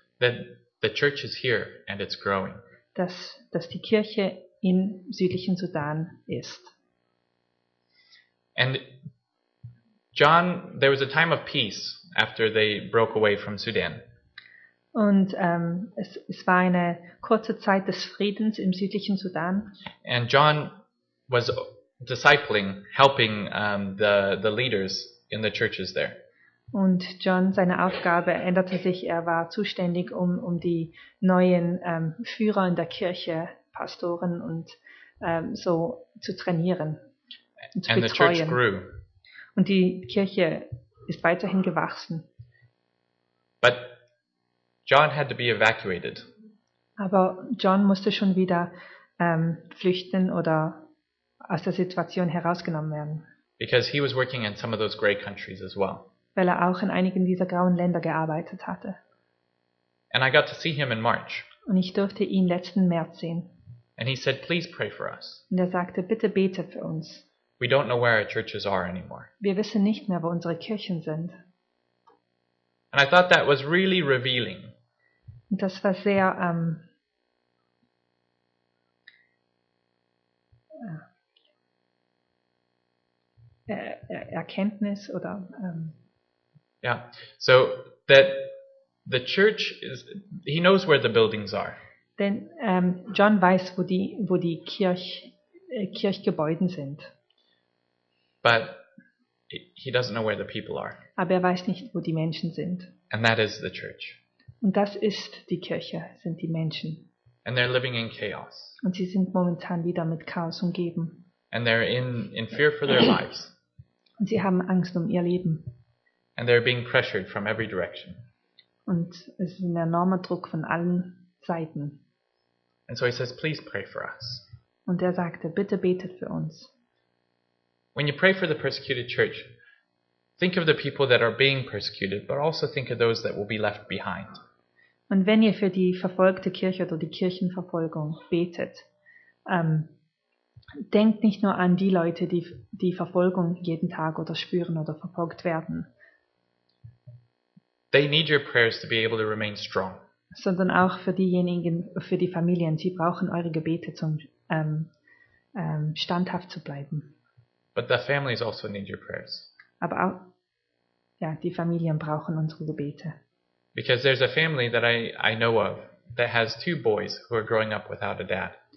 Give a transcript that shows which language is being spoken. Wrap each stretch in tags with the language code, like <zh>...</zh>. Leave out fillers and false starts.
<en>That the church is here and it's growing.</en> <de>Dass die Kirche im südlichen Sudan ist.</de> <en>And John, there was a time of peace after they broke away from Sudan.</en> <de>Und es war eine kurze Zeit des Friedens im südlichen Sudan.</de> <en>And John was discipling, helping the leaders in the churches there.</en> <de>Und John, seine Aufgabe änderte sich. Er war zuständig um die neuen Führer in der Kirche, Pastoren und so zu trainieren, zu</de> <en>and</en> <de>betreuen.</de> <en>The church grew.</en> <de>Und die Kirche ist weiterhin gewachsen.</de> <en>But John had to be evacuated.</en> <de>Aber John musste schon wieder flüchten oder aus der Situation herausgenommen werden.</de> <en>Because he was working in some of those gray countries as well.</en> <de>Weil er auch in einigen dieser grauen Länder gearbeitet hatte.</de> <en>And I got to see him in March.</en> <de>Und ich durfte ihn letzten März sehen.</de> <en>And he said, "Please pray for us."</en> <de>Und er sagte, bitte betet für uns.</de> <en>We don't know where our churches are anymore.</en> <de>Wir wissen nicht mehr, wo unsere Kirchen sind.</de> <en>And I thought that was really revealing.</en> <de>Und das war sehr Erkenntnis oder</de> <en>yeah, so that the church is, he knows where the buildings are.</en> <de>Denn John weiß, wo die Kirchgebäuden sind.</de> <en>But he doesn't know where the people are.</en> <de>Aber er weiß nicht, wo die Menschen sind.</de> <en>And that is the church.</en> <de>Und das ist die Kirche, sind die Menschen.</de> <en>And they're living in chaos.</en> <de>Und sie sind momentan wieder mit Chaos umgeben.</de> <en>And they're in fear for their lives.</en> <de>Und sie haben Angst um ihr Leben.</de> <en>And they're being pressured from every direction.</en> <de>Und es ist ein enormer Druck von allen Seiten.</de> <en>And so he says, "Please pray for us."</en> <de>Und er sagte, bitte betet für uns.</de> <en>When you pray for the persecuted church, think of the people that are being persecuted, but also think of those that will be left behind.</en> <de>Und wenn ihr für die verfolgte Kirche oder die Kirchenverfolgung betet, Denkt nicht nur an die Leute, die die Verfolgung jeden Tag oder spüren oder verfolgt werden.</de> <en>They need your prayers to be able to remain strong.</en> <de>Sondern auch für diejenigen, für die Familien. Sie brauchen eure Gebete, um standhaft zu bleiben.</de> <en>But the families also need your prayers.</en> <de>Aber auch, ja, die Familien brauchen unsere Gebete.</de> <en>Because there's a family that I know of that has two boys who are growing up without a dad.</en>